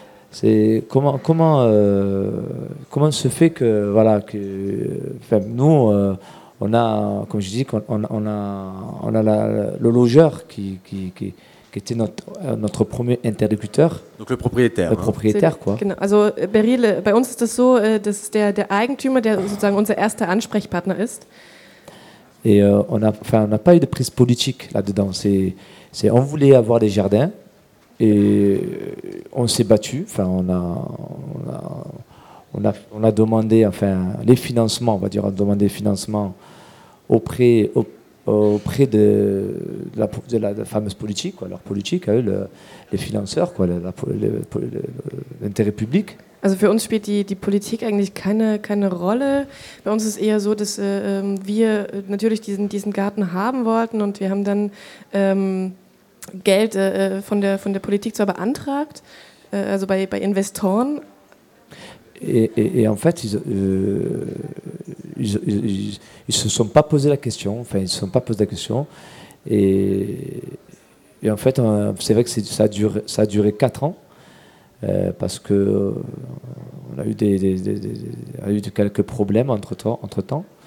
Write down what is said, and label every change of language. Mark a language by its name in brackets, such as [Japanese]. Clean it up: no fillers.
[French] C'est comment se fait que voilà que enfin, nous on a comme je dis qu'on a le logeur qui était notre premier interlocuteur, donc le propriétaire quoi. [German] Genau. Also Beryl, bei uns ist das so, dass der Eigentümer, der sozusagen unser erster Ansprechpartner ist. [French] Et on n'a pas eu de prise politique là-dedans. C'est on voulait avoir des jardins. Et on s'est battu, enfin on a demandé, enfin les financements, on va dire, on a demandé financement auprès de la fameuse politique, quoi, leur politique, les financeurs, quoi, l'intérêt public. [German] Also für uns spielt die Politik eigentlich keine Rolle. Bei uns ist eher so, dass wir natürlich diesen Garten haben wollten und wir haben dann Geld von der Politik zwar beantragt, also bei Investoren. [French] Et en fait, ils se sont pas posé la question. Enfin, ils se sont pas posé la question. Et en fait, c'est vrai que ça a duré 4 ans parce que on a eu des quelques problèmes entre temps.